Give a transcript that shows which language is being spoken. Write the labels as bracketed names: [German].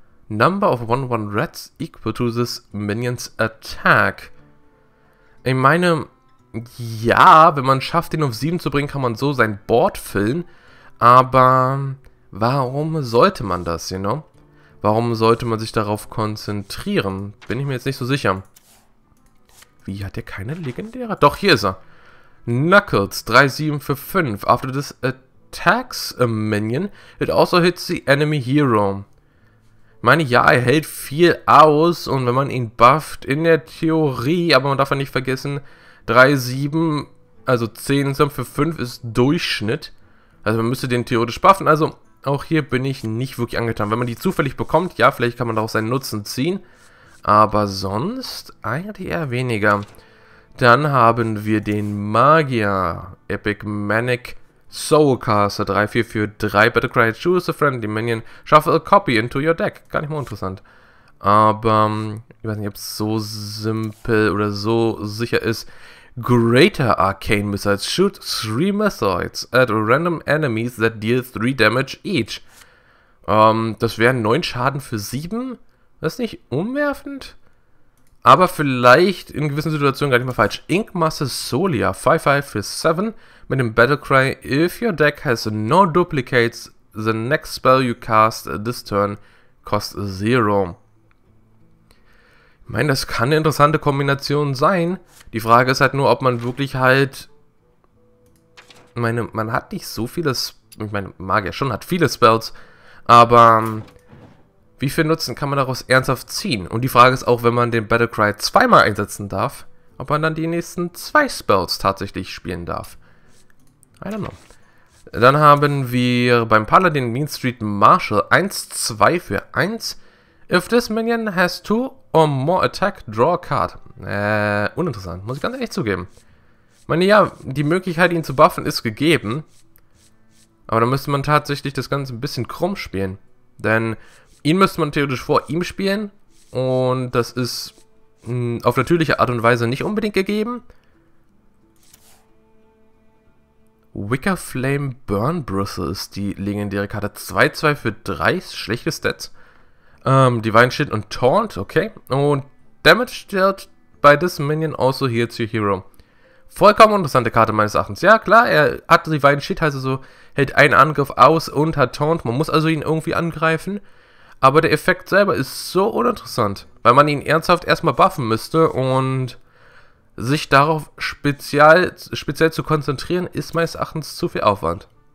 [English] Number of 1-1 Reds equal to this Minion's Attack. [German] Ich meine, ja, wenn man schafft, den auf 7 zu bringen, kann man so sein Board füllen. Aber warum sollte man das, [English] you know? [German] Warum sollte man sich darauf konzentrieren? Bin ich mir jetzt nicht so sicher. Wie, hat der keine legendäre? Doch, hier ist er. Knuckles, 3-7 für 5. [English] After this attacks a minion, it also hits the enemy hero. [German] Ich meine, ja, er hält viel aus und wenn man ihn bufft, in der Theorie, aber man darf ja nicht vergessen, 3-7, also 10 für 5 ist Durchschnitt. Also man müsste den theoretisch buffen. Also auch hier bin ich nicht wirklich angetan. Wenn man die zufällig bekommt, ja, vielleicht kann man daraus seinen Nutzen ziehen. Aber sonst eigentlich eher weniger. Dann haben wir den Magier Epic Manic Soulcaster 3-4 für 3 Battlecry. [English] Choose a friendly minion. Shuffle a copy into your deck. [German] Gar nicht mal interessant. Aber ich weiß nicht, ob es so simpel oder so sicher ist. [English] Greater Arcane Missiles. Shoot 3 Missiles at random enemies that deal 3 damage each. [German] Das wären 9 Schaden für 7. Das ist nicht umwerfend. Aber vielleicht in gewissen Situationen gar nicht mal falsch. Inkmaster Solia 5-5 für 7 mit dem Battlecry. [English] If your deck has no duplicates, the next spell you cast this turn costs 0. [German] Ich meine, das kann eine interessante Kombination sein. Die Frage ist halt nur, ob man wirklich halt... Ich meine, man hat nicht so viele... Ich meine, Magier schon hat viele Spells. Aber wie viel Nutzen kann man daraus ernsthaft ziehen? Und die Frage ist auch, wenn man den Battlecry zweimal einsetzen darf, ob man dann die nächsten 2 Spells tatsächlich spielen darf. [English] I don't know. [German] Dann haben wir beim Paladin Mean Street Marshal 1-2 für 1. [English] If this minion has 2 or more attack, draw a card. [German] Uninteressant, muss ich ganz ehrlich zugeben. Ich meine, ja, die Möglichkeit, ihn zu buffen, ist gegeben. Aber dann müsste man tatsächlich das Ganze ein bisschen krumm spielen. Denn ihn müsste man theoretisch vor ihm spielen. Und das ist auf natürliche Art und Weise nicht unbedingt gegeben. Wicker Flame Burn Bristle ist die legendäre Karte. 2-2 für 3, schlechte Stats. Divine Shit und Taunt, okay. [English] Und Damage dealt by this minion also heals your hero. [German] Vollkommen interessante Karte meines Erachtens. Ja, klar, er hat Divine Shit, heißt also, hält einen Angriff aus und hat Taunt. Man muss also ihn irgendwie angreifen. Aber der Effekt selber ist so uninteressant, weil man ihn ernsthaft erstmal buffen müsste. Und sich darauf speziell zu konzentrieren, ist meines Erachtens zu viel Aufwand.